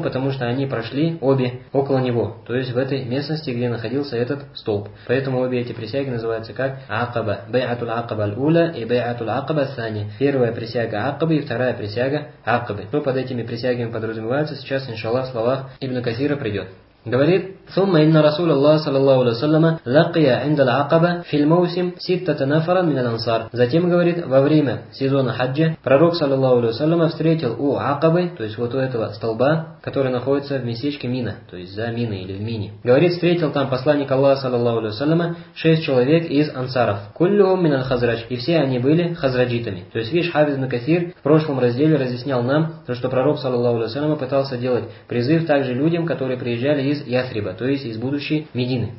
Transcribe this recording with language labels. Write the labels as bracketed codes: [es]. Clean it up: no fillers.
[ru] Потому что они прошли обе около него, то есть в этой местности, где находился этот столб. Поэтому обе эти присяги называются как акаба. Байатуль акаба аль-уля и байатуль акаба аль-сани. Первая присяга акабы и вторая присяга акабы. Что под этими присягами подразумевается, сейчас, иншаллах, в словах Ибн Казира придет. Говорит: [ar] ثم إن رسول الله صلى الله عليه وسلم لقي عند العقبة في الموسم ستة نفرا من الأنصار. [ru] Затем говорит: во время сезона хаджа пророк [ar] صلى الله عليه وسلم [ru] встретил у Акабы, то есть вот у этого столба, который находится в местечке Мина, то есть за Миной или в Мине. Говорит: встретил там посланник Аллаха [ar] صلى الله عليه وسلم [ru] 6 человек из ансаров. [ar] كلهم من الخزرج. [ru] И все они были хазраджитами. То есть видишь, Хафиз ибн Касир в прошлом разделе разъяснял нам, что пророк [ar] صلى الله عليه وسلم [ru] пытался делать призыв также людям, которые приезжали из Ясриба, то есть из будущей Медины.